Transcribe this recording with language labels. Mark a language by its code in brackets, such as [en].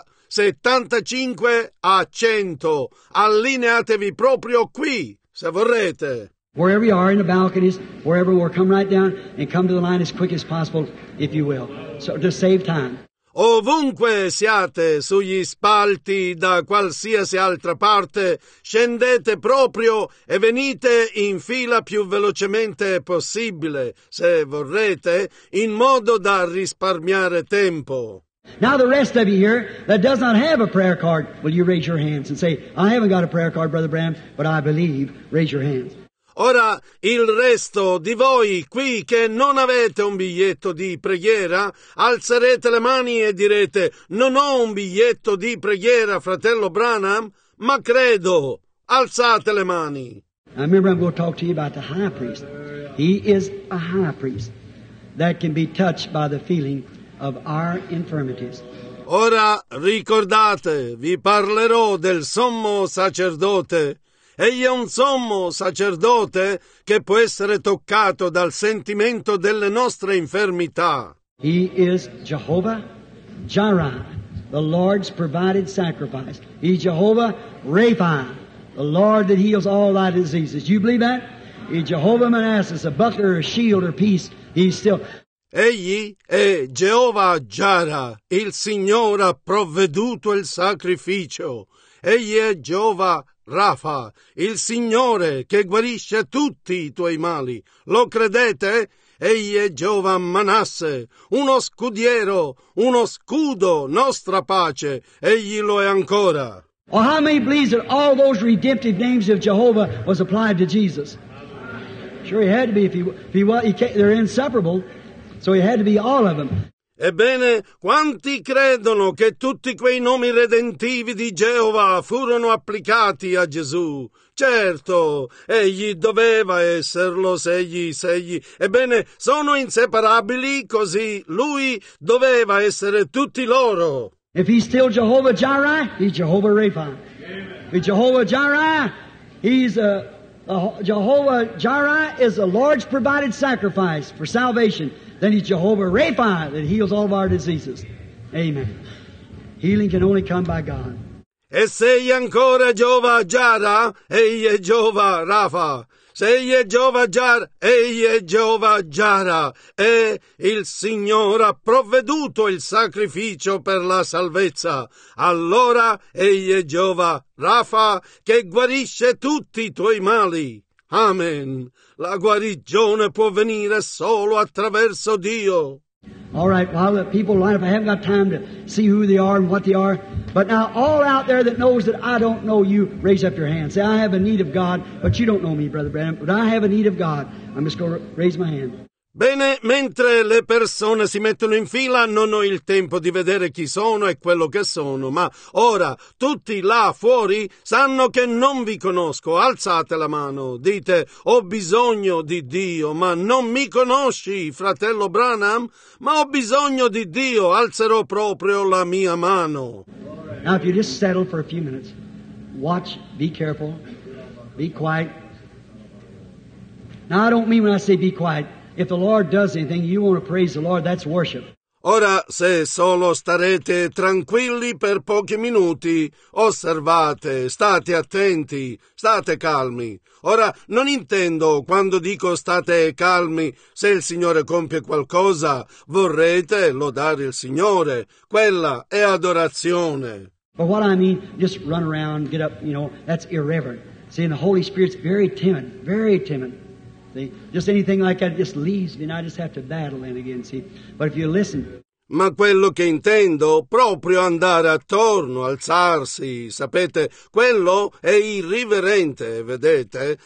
[it] 75 a 100. Allineatevi proprio qui, se vorrete. [en] Wherever you are, in the balconies, wherever we're, come right down and come to the line as quick as possible, if you will. So to save time. [it] Ovunque siate, sugli spalti, da qualsiasi altra parte, scendete proprio e venite in fila più velocemente possibile, se vorrete, in modo da risparmiare tempo. [en] Now the rest of you here that does not have a prayer card, will you raise your hands and say, I haven't got a prayer card, Brother Branham, but I believe, raise your hands. [it] Ora, il resto di voi qui che non avete un biglietto di preghiera, alzerete le mani e direte, non ho un biglietto di preghiera, fratello Branham, ma credo. Alzate le mani. [en] I remember I'm going to talk to you about the high priest. He is a high priest that can be touched by the feeling of our infirmities. [it] Ora, ricordate, vi parlerò del sommo sacerdote. Egli è un sommo sacerdote che può essere toccato dal sentimento delle nostre infermità. [en] He is Jehovah Jireh, the Lord's provided sacrifice. He's Jehovah Rapha, the Lord that heals all thy diseases. You believe that? He's Jehovah Manassas, a buckler, a shield, or peace. He's still. [it] Egli è Jehovah Jireh, il Signore ha provveduto il sacrificio. Egli è Jehovah Rafa, il Signore che guarisce tutti i tuoi mali. Lo credete? Egli è Giova Manasse, uno scudiero, uno scudo, nostra pace. Egli lo è ancora. [en] Oh, how many believes that all those redemptive names of Jehovah was applied to Jesus? Sure, he had to be. They're inseparable, so he had to be all of them. [it] Ebbene, quanti credono che tutti quei nomi redentivi di Geova furono applicati a Gesù? Certo, egli doveva esserlo, se egli. Ebbene, sono inseparabili, così lui doveva essere tutti loro. [en] If he's still Jehovah Jireh, he's Jehovah Rapha. Amen. If Jehovah Jireh, he's Jehovah Jireh is the Lord's provided sacrifice for salvation. Then he's Jehovah Rapha that heals all of our diseases. Amen. Healing can only come by God. [it] E se egli ancora Jehovah Jireh, egli è Jehovah Rapha. Se egli è Jehovah Jireh, egli è Jehovah Jireh. E il Signore ha provveduto il sacrificio per la salvezza. Allora egli è Jehovah Rapha che guarisce tutti i tuoi mali. Amen. La guarigione può venire solo attraverso Dio. [en] All right, while the people line up, I haven't got time to see who they are and what they are. But now, all out there that knows that I don't know you, raise up your hand. Say, I have a need of God, but you don't know me, Brother Branham, but I have a need of God. I'm just going to raise my hand. [it] Bene, mentre le persone si mettono in fila, non ho il tempo di vedere chi sono e quello che sono, ma ora tutti là fuori sanno che non vi conosco. Alzate la mano, dite, ho bisogno di Dio, ma non mi conosci, fratello Branham? Ma ho bisogno di Dio, alzerò proprio la mia mano. [en] Now if you just settle for a few minutes, watch, be careful, be quiet. Now I don't mean when I say be quiet. If the Lord does anything, you want to praise the Lord, that's worship. [it] Ora, se solo starete tranquilli per pochi minuti, osservate, state attenti, state calmi. Ora, non intendo quando dico state calmi, se il Signore compie qualcosa, vorrete lodare il Signore. Quella è adorazione. [en] But what I mean, just run around, get up, you know, that's irreverent. See, and the Holy Spirit's very timid. See, just anything like that just leaves me, and I just have to battle in again, see. But if you listen. [it] Ma quello che intendo, proprio andare attorno, alzarsi, sapete, quello è irriverente, vedete?